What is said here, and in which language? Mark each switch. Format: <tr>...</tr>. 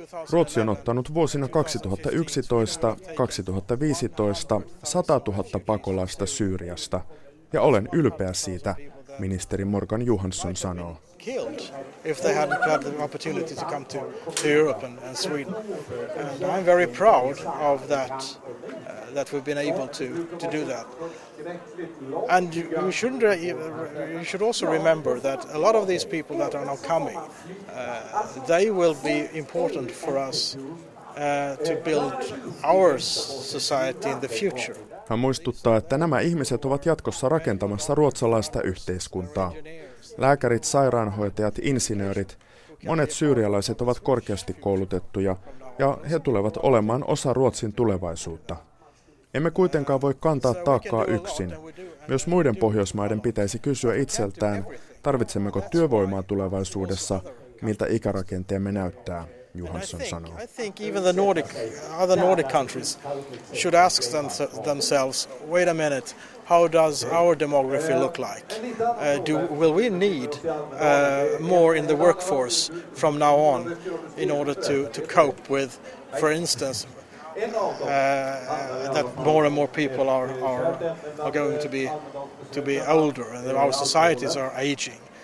<fi>Ruotsi on ottanut vuosina 2011-2015 100,000 pakolaista Syyriasta, ja olen ylpeä siitä, ministeri Morgan Johansson sanoo.</fi> <en>Killed if they hadn't had the opportunity to come to Europe and Sweden. And I'm very proud of that, that we've been able to do that. And you should also remember that a lot of these people that are now coming, they will be important for us to build our society in the future.</en> <fi>Hän muistuttaa, että nämä ihmiset ovat jatkossa rakentamassa ruotsalaista yhteiskuntaa. Lääkärit, sairaanhoitajat, insinöörit, monet syyrialaiset ovat korkeasti koulutettuja ja he tulevat olemaan osa Ruotsin tulevaisuutta. Emme kuitenkaan voi kantaa taakkaa yksin. Myös muiden Pohjoismaiden pitäisi kysyä itseltään, tarvitsemmeko työvoimaa tulevaisuudessa, miltä ikärakenteemme näyttää, Johansson sanoo.</fi> <en>I think even the Nordic, other Nordic countries should ask themselves, wait a minute, how does our demography look like? Will we need more in the workforce from now on in order to cope with, for instance, that more and more people are going to be older and that our societies are aging?</en>